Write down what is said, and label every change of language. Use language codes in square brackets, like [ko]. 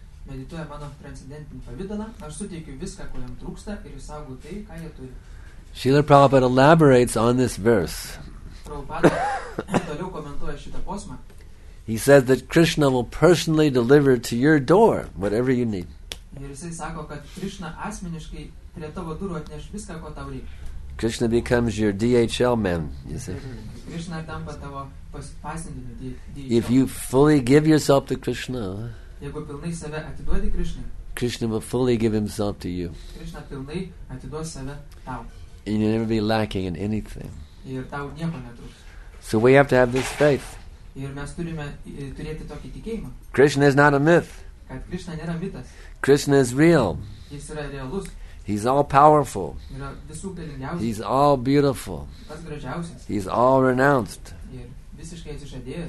[lt] Medituoja mano transcendentinį pavidalą, aš suteikiu viską, ko jam trūksta, ir jis saugo tai, ką jie turi. [en] Srila Prabhupada elaborates on this verse. [lt] Toliau komentuoja šitą posmą. [en] He says that Krishna will personally deliver to your door whatever you need. [lt] Ir jisai sako, kad Krishna asmeniškai prie tavo durų atneš viską, ko tau reikia. [en] Krishna becomes your DHL man, you see. [lt] Krishna tampa tavo pasiuntiniu DHL. [en] If you fully give yourself to Krishna, [lt] jeigu pilnai save atiduodi Krishnai, [en] Krishna will fully give himself to you. [lt] Krishna pilnai atiduos save tau. [en] And you'll never be lacking in anything. [lt] Ir tau nieko netrūks. [en] So we have to have this faith. [lt] Ir mes turime turėti tokį tikėjimą. [en] Krishna is not a myth. [lt] Kad Krishna nėra mitas. [en] Krishna is real. [lt] Jis yra realus. [en] He's all powerful. [lt] Yra visų galingiausias. [en] He's all beautiful. [lt] Pats gražiausias. [en] He's all renounced. [lt] Ir visiškai atsižadėjęs.